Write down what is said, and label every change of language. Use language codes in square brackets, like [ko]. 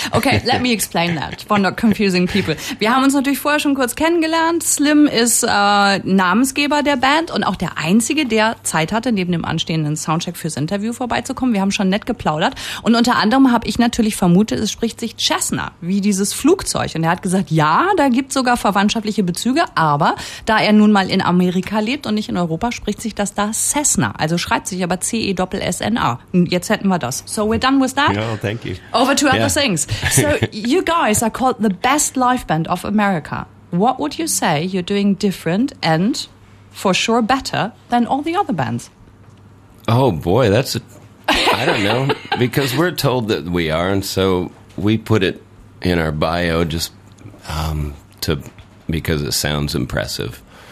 [en] Okay, let me explain that for not confusing people. [de] Wir haben uns natürlich vorher schon kurz kennengelernt. Slim ist Namensgeber der Band und auch der Einzige, der Zeit hatte, neben dem anstehenden Soundcheck fürs Interview vorbeizukommen. Wir haben schon nett geplaudert. Und unter anderem habe ich natürlich vermutet, es spricht sich Chestner, wie dieses Flugzeug. Und er hat gesagt, ja, da gibt's sogar verwandtschaftliche Bezüge. Aber da er nun mal in Amerika lebt und nicht in Europa, spricht sich das da Cessna. Also schreibt sich aber C-E-S-S-N-A. Jetzt hätten wir das. [en] So we're done with that. No, thank you. Over to other things. So you guys are called the best live band of America. What would you say you're doing different and for sure better than all the other bands? Oh boy, that's a, I don't know, because we're told that we are, and so we put it in our bio just to because it sounds impressive.